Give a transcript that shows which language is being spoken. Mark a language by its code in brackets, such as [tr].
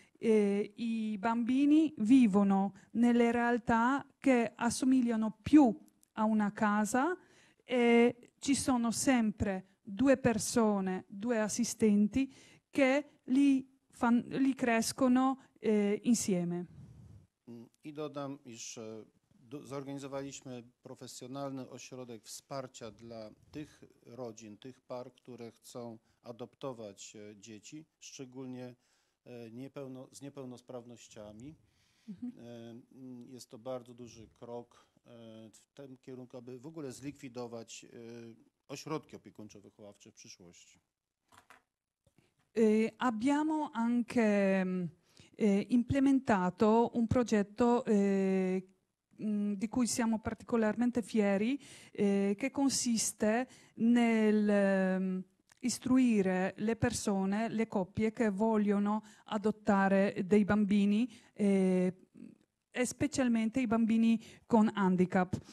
[it] I bambini vivono nelle realtà che assomigliano più a una casa e ci sono sempre due persone, due assistenti che li crescono insieme. [pl] I dodam, iż zorganizowaliśmy profesjonalny ośrodek wsparcia dla tych rodzin, tych par, które chcą adoptować dzieci, szczególnie z niepełnosprawnościami. Mhm. Jest to bardzo duży krok w tym kierunku, aby w ogóle zlikwidować ośrodki opiekuńczo-wychowawcze w przyszłości. [it] Abbiamo anche implementato un progetto di cui siamo particolarmente fieri, che consiste nel istruire le persone, le coppie che vogliono adottare dei bambini, e specialmente i bambini con handicap.